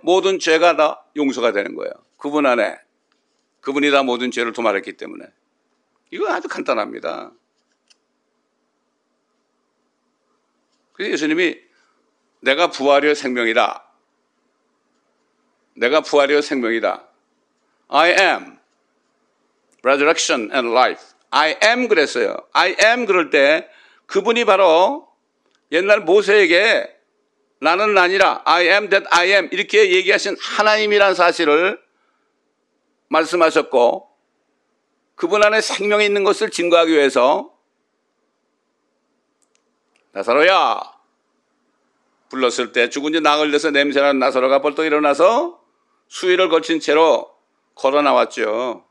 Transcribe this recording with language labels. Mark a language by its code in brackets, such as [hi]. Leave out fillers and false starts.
[ko] 모든 죄가 다 용서가 되는 거예요. 그분 안에. 그분이 다 모든 죄를 도말했기 때문에. 이거 아주 간단합니다. 그래서 예수님이 내가 부활이요 생명이다. 내가 부활이요 생명이다. [en] I am resurrection and life. I am [ko] 그랬어요. [en] I am [ko] 그럴 때 그분이 바로 옛날 모세에게 나는 나니라. [en] I am that I am. [ko] 이렇게 얘기하신 하나님이란 사실을 말씀하셨고 그분 안에 생명이 있는 것을 증거하기 위해서 나사로야 불렀을 때 죽은 지 나흘 돼서 냄새나는 나사로가 벌떡 일어나서 수위를 걸친 채로 걸어 나왔죠.